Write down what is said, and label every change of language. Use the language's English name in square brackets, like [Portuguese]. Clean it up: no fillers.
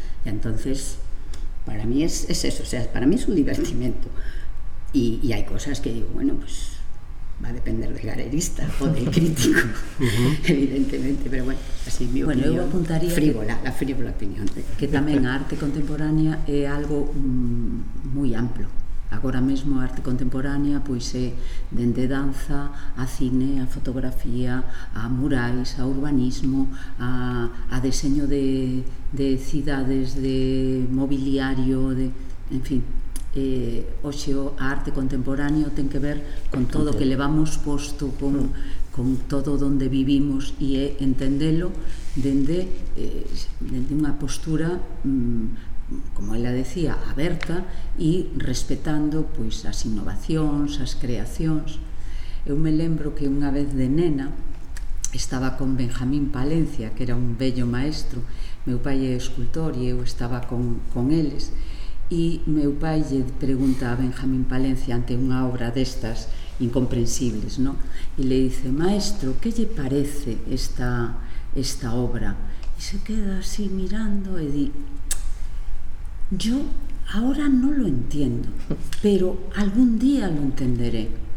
[Spanish] Y entonces, para mí es eso. O sea, para mí es un divertimento. Y hay cosas que digo, bueno, pues va a depender del galerista o del crítico, evidentemente. Pero bueno, así es mi opinión. Bueno, yo apuntaría frívola, la frívola opinión. Que también arte contemporánea es algo muy amplio. [Galician] Agora mesmo a arte contemporánea pois é dende danza, a cine, a fotografía, a murais, a urbanismo, a deseño de cidades, de mobiliario, de, en fin, hoxe a arte contemporánea ten que ver con todo o que levamos posto, con todo onde vivimos, e é entendelo dende unha postura como ela decía, aberta e respetando pois as innovacións, as creacións. Eu me lembro que unha vez de nena estaba con Benjamín Palencia, que era un bello maestro, meu pai é escultor e eu estaba con eles, e meu pai lle pregunta a Benjamín Palencia ante unha obra destas incomprensibles, non? E le dice: "Maestro, que lle parece esta obra?" E se queda así mirando e di: [Spanish] "Yo ahora no lo entiendo, pero algún día lo entenderé."